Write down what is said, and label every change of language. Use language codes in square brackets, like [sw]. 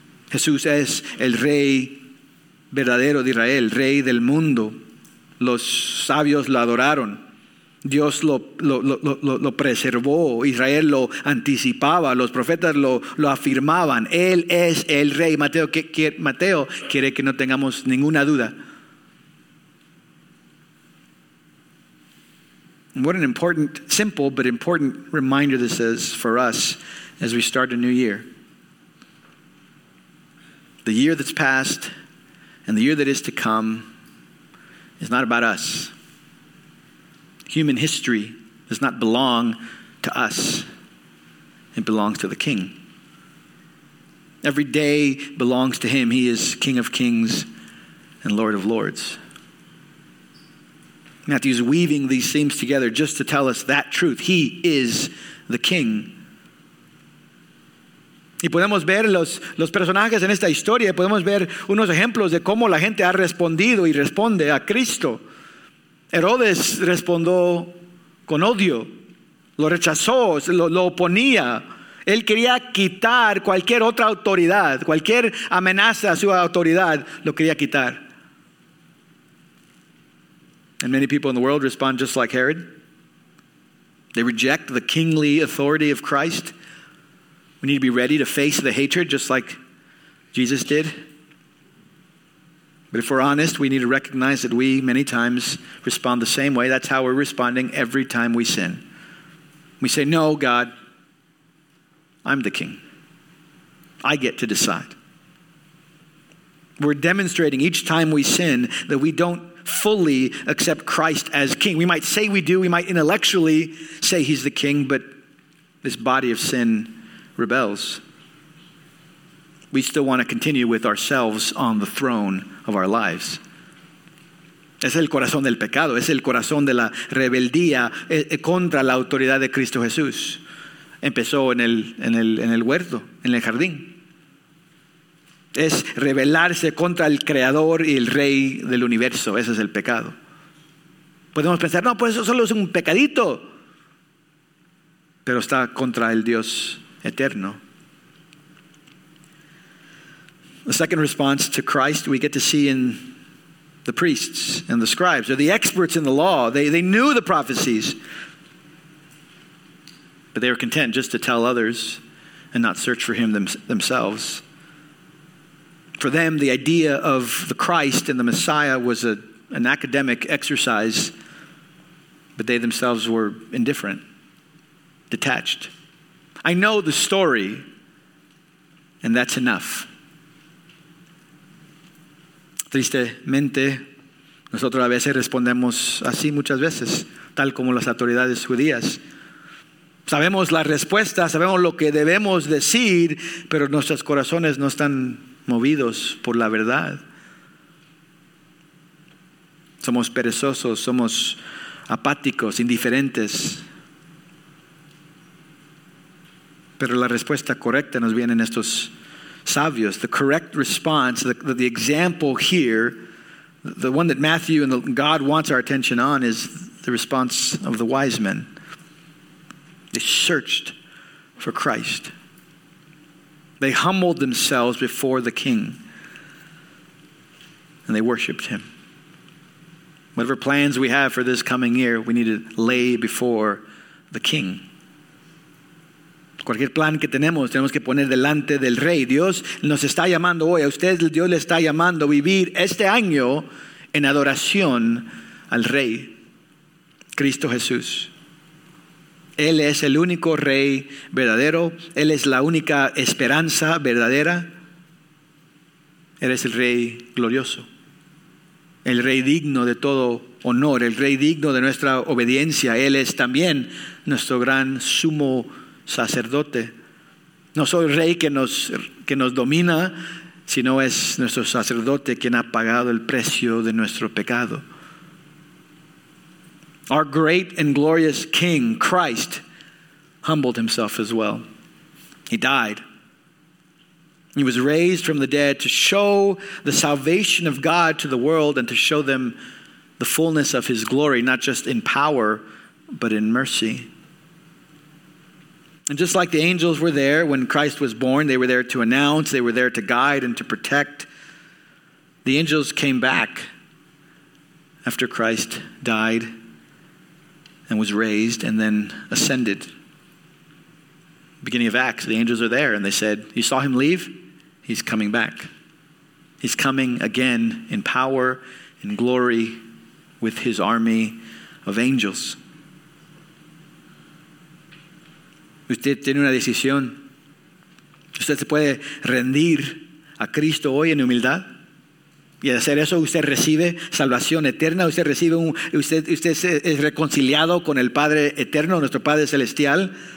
[es] Jesús es el rey verdadero de Israel, rey del mundo. Los sabios lo adoraron. Dios lo preservó, Israel lo anticipaba, los profetas lo afirmaban, Él es el rey. Mateo quiere que no tengamos ninguna duda. [en] What an important, simple but important reminder this is for us as we start a new year. The year that's passed and the year that is to come is not about us. Human history does not belong to us. It belongs to the King. Every day belongs to Him. He is King of Kings and Lord of Lords. Matthew's weaving these themes together just to tell us that truth. He is the King. [es] Y podemos ver los personajes en esta historia. Podemos ver unos ejemplos de cómo la gente ha respondido y responde a Cristo. Herodes respondió con odio, lo rechazó, lo oponía. Él quería quitar cualquier otra autoridad, cualquier amenaza a su autoridad, lo quería quitar. [en] And many people in the world respond just like Herod. They reject the kingly authority of Christ. We need to be ready to face the hatred just like Jesus did. But if we're honest, we need to recognize that we many times respond the same way. That's how we're responding every time we sin. We say, no, God, I'm the King. I get to decide. We're demonstrating each time we sin that we don't fully accept Christ as King. We might say we do. We might intellectually say He's the King, but this body of sin rebels. We still want to continue with ourselves on the throne of our lives. [es] Es el corazón del pecado. Es el corazón de la rebeldía contra la autoridad de Cristo Jesús. Empezó en el huerto, en el jardín. Es rebelarse contra el Creador y el Rey del universo. Ese es el pecado. Podemos pensar, no, pues eso solo es un pecadito. Pero está contra el Dios eterno. [en] The second response to Christ we get to see in the priests and the scribes, or the experts in the law. They knew the prophecies, but they were content just to tell others and not search for Him themselves. For them, the idea of the Christ and the Messiah was an academic exercise, but they themselves were indifferent, detached. I know the story, and that's enough. [es] Tristemente, nosotros a veces respondemos así muchas veces, tal como las autoridades judías. Sabemos la respuesta, sabemos lo que debemos decir, pero nuestros corazones no están movidos por la verdad. Somos perezosos, somos apáticos, indiferentes. Pero la respuesta correcta nos viene en estos sabios. [en] The correct response, the example here, the one that Matthew and God wants our attention on, is the response of the wise men. They searched for Christ. They humbled themselves before the King, and they worshiped Him. Whatever plans we have for this coming year, we need to lay before the King. [es] Cualquier plan que tenemos, tenemos que poner delante del Rey. Dios nos está llamando hoy. A ustedes Dios le está llamando a vivir este año en adoración al Rey, Cristo Jesús. Él es el único Rey verdadero. Él es la única esperanza verdadera. Él es el Rey glorioso. El Rey digno de todo honor. El Rey digno de nuestra obediencia. Él es también nuestro gran sumo sacerdote. No soy rey que nos domina, sino es nuestro sacerdote quien ha pagado el precio de nuestro pecado. [en] Our great and glorious King Christ humbled Himself as well. He died. He was raised from the dead to show the salvation of God to the world and to show them the fullness of His glory, not just in power, but in mercy. And just like the angels were there when Christ was born, they were there to announce, they were there to guide and to protect. The angels came back after Christ died and was raised and then ascended. Beginning of Acts, the angels are there and they said, you saw him leave? He's coming back. He's coming again in power, in glory, with his army of angels. [es] Usted tiene una decisión. Usted se puede rendir a Cristo hoy en humildad. Y al hacer eso, usted recibe salvación eterna. Usted recibe un, usted es reconciliado con el Padre eterno, nuestro Padre celestial.